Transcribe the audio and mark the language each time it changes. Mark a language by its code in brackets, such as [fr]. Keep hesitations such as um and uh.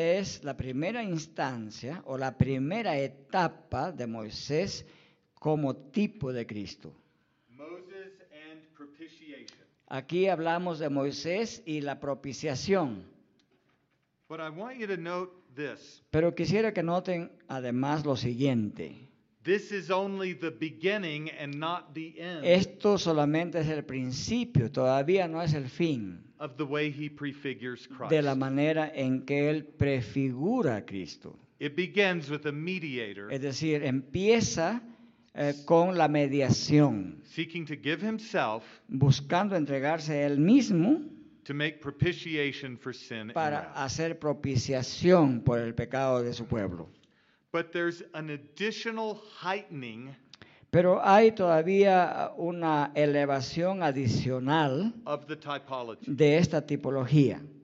[es] es la primera instancia o la primera etapa de Moisés como tipo de Cristo. [en] Moses and propitiation. [es] Aquí hablamos de Moisés y la propiciación. [en] But I want you to note this. [es] Pero quisiera que noten además lo siguiente. [en] This is only the beginning and not the end [es] Esto solamente es el principio, todavía no es el fin [en] of the way he prefigures Christ. [es] de la manera en que él prefigura Cristo. [en] It begins with a mediator, [es] es decir, empieza eh, con la mediación, [en] seeking to give himself, [es] buscando entregarse él mismo [en] to make propitiation for sin para and hacer hell. [es] propiciación por el pecado de su pueblo. [en] But there's an additional heightening [es] Pero hay todavía una elevación adicional de esta tipología.